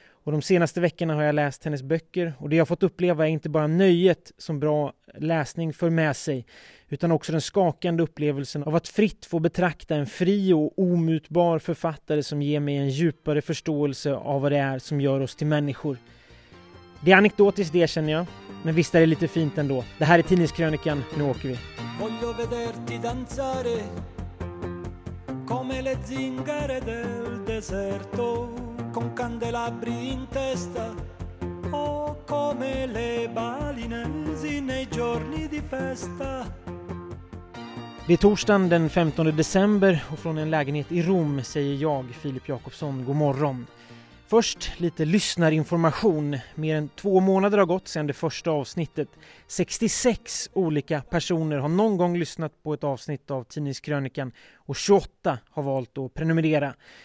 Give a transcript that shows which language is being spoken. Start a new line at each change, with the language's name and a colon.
Swedish: Och de senaste veckorna har jag läst hennes böcker och det jag fått uppleva är inte bara nöjet som bra läsning för med sig utan också den skakande upplevelsen av att fritt få betrakta en fri och omutbar författare som ger mig en djupare förståelse av vad det är som gör oss till människor. Det är anekdotiskt det känner jag, men visst är det lite fint ändå. Det här är tidningskrönikan, nu åker vi.
Italian: Voglio vederti danzare come le zingare del deserto. Con candelabri in testa o come le balinesi nei giorni di festa.
Swedish: Det är torsdagen den 15 december och från en lägenhet i Rom säger jag, Filip Jakobsson, god morgon. Först lite lyssnarinformation. Mer än 2 månader har gått sedan det första avsnittet. 66 olika personer har någon gång lyssnat på ett avsnitt av tidningskrönikan och 28 har valt att prenumerera.